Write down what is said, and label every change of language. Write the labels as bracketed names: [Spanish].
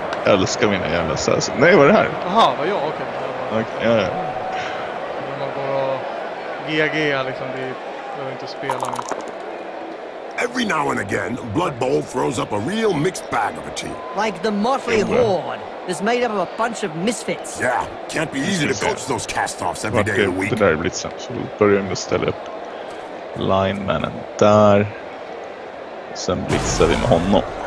[Swedish] Jag älskar mina jävla sassi. Nej, vad är det här? Jaha, vad jag? Okej. Okej, ja. Om man går och GG liksom, det behöver inte spela med. [English] Every now and again, Blood Bowl throws up a real mixed bag of a team. Like the Motley Horde. It's made up of a bunch of misfits. Yeah, can't be easy to coach those cast-offs every day of the week. [Swedish] Det där är blitzen. Så vi börjar med att ställa upp linemanen där. Sen blitzar vi med honom.